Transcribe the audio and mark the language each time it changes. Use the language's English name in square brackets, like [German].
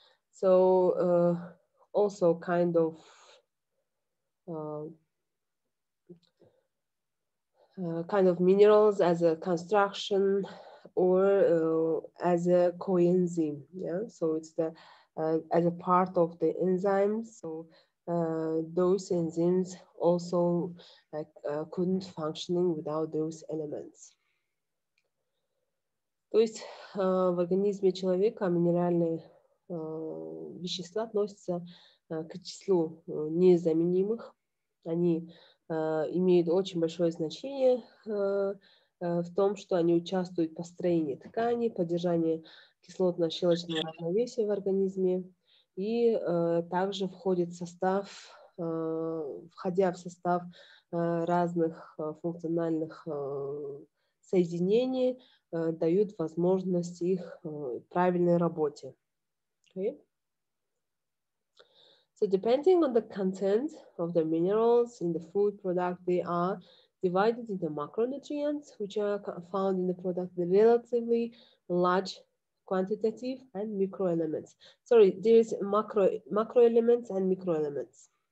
[English] So also kind of minerals as a construction or as a coenzyme. Yeah, so it's the as a part of the enzymes. So those enzymes also couldn't functioning without those elements. [Russian] То есть в организме человека минеральные вещества относятся к числу незаменимых. Они имеют очень большое значение в том, что они участвуют в построении ткани, поддержании кислотно-щелочного равновесия в организме. И также входит в состав, входя в состав разных функциональных соединений, дают возможность их правильной работе. [English] Okay. So depending on the content of the minerals in the food product, they are divided into macronutrients, which are found in the product, the relatively large quantitative and micro elements. Sorry, there is macro elements and micro elements.